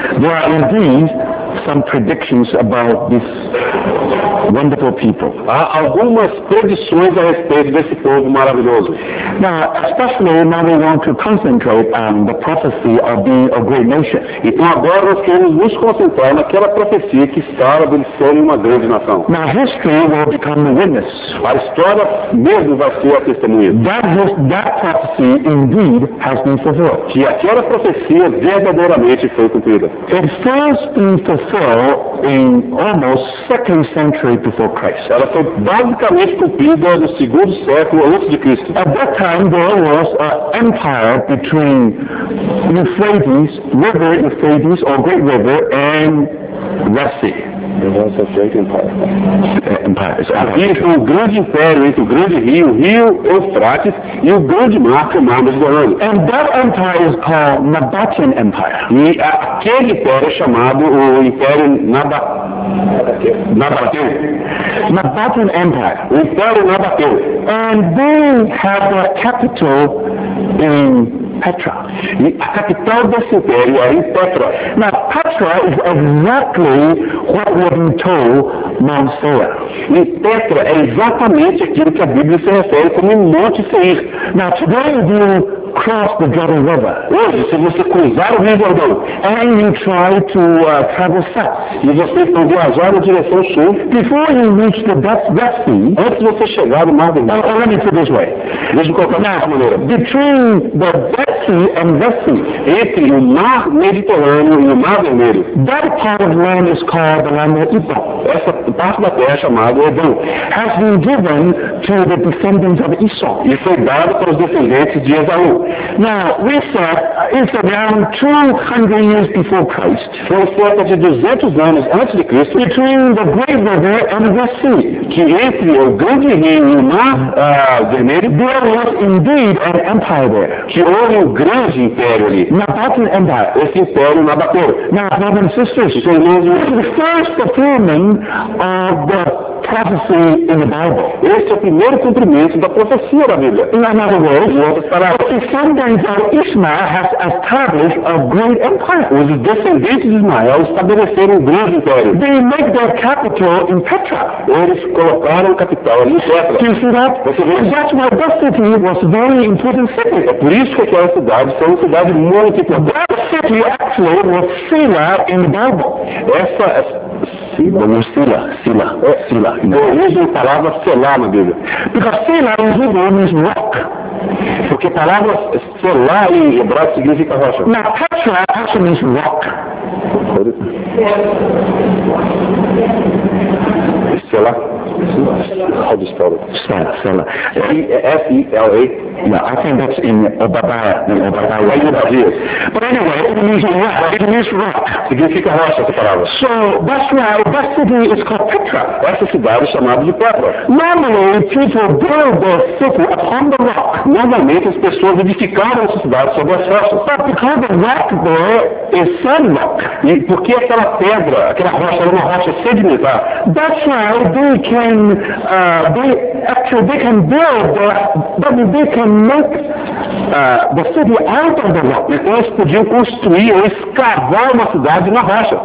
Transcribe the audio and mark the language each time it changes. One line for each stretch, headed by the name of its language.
English: there are indeed some predictions about this wonderful people.
Portuguese: Há algumas predições a respeito desse povo maravilhoso.
English: Now, especially now we want to concentrate on the prophecy of being a great nation.
Portuguese: Então agora nós queremos nos concentrar naquela profecia que fala de ser uma grande nação.
English: Now history will become a witness.
Portuguese: A história mesmo vai ser a testemunha.
English: That prophecy indeed has been fulfilled.
Portuguese: Que aquela profecia verdadeiramente foi cumprida.
English: It first been fulfilled in almost second century before Christ.
Portuguese: Ela foi basicamente cumprida no segundo século antes de Cristo.
English: At that time there was an empire between Euphrates, River Euphrates or Great River and Red Sea. There was a great empire. Empire.
Portuguese: Havia um grande império entre o grande rio, Rio Eufrates, e o grande mar, que é o Mar Mediterrâneo.
English: And that empire is called Nabatean Empire.
Portuguese: E aquele império é chamado o Império Nabateu.
English: Nabatean Empire.
Portuguese: O Império Nabateu.
English: And they have their capital in Petra.
Portuguese: E a capital desse império é em Petra.
English: Now, Petra is exactly what we've been told Mount Seir.
Portuguese: E Petra é exatamente aquilo que a Bíblia se refere como Monte Seir.
English: Now, today you cross the Jordan River.
Portuguese: Hoje, se você cruzar o Rio Jordão,
English: and you try to travel south,
Portuguese: e você for viajar na direção sul,
English: before you reach the Red Sea,
Portuguese: antes de você chegar no Mar Vermelho,
English: Now, let me put this way.
Portuguese: Deixa eu colocar dessa maneira.
English: Between the Red Sea and Red Sea,
Portuguese: entre o Mar Mediterrâneo e o Mar Vermelho,
English: that part of land is called the land of Edom.
Portuguese: Essa parte da terra chamada Edom
English: has been given to the descendants of Esau.
Portuguese: E foi dado para os descendentes de Esau.
English: Now, we said it's around 200 years before Christ.
Portuguese: Foi cerca de 200 anos antes de Cristo.
English: Between the Great River and the Sea.
Portuguese: Que entre o grande rio e o mar vermelho,
English: there was indeed an empire there.
Portuguese: Que houve um grande império ali.
English: Nabatean Empire.
Portuguese: Esse império Nabateu.
English: Now, brothers and sisters, so, this is the first fulfillment of the prophecy in the Bible.
Portuguese: Este é o primeiro cumprimento da profecia da Bíblia.
English: In other words,
Portuguese: em outras palavras,
English: the descendants of Ishmael have established a great empire.
Portuguese: Os descendentes de Ismael estabeleceram um grande império.
English: They make their capital in Petra.
Portuguese: Eles colocaram a capital em Petra.
English: Do you see that? That's why that city was a very important city.
Portuguese: É por isso que aquela cidade foi uma cidade muito importante.
English: That city actually was Sila in the Bible.
Portuguese: Essa é Sila. Origem da palavra Selah na Bíblia.
English: Because Sila in Hebrew means rock.
Portuguese: Porque a palavra Selah em hebraico significa rocha.
English: Now, Petra actually means rock. Selah. How do you spell it? Sela. S-E-L-A. Yeah, I think that's in Obabaya. But anyway, it means rock. It means rock.
Portuguese: Significa rocha, essa palavra.
English: So that's why that city is called Petra.
Portuguese: Essa cidade é chamada de Petra.
English: Normally, people build their city upon the rock.
Portuguese: Normalmente, as pessoas edificaram essa cidade sobre as rochas.
English: But because the rock there is sandrock.
Portuguese: E porque aquela pedra, aquela rocha, era uma rocha sedimentar.
English: That's why they can, they can make the city out of the rock.
Portuguese: Então eles podiam construir ou escavar uma cidade na rocha.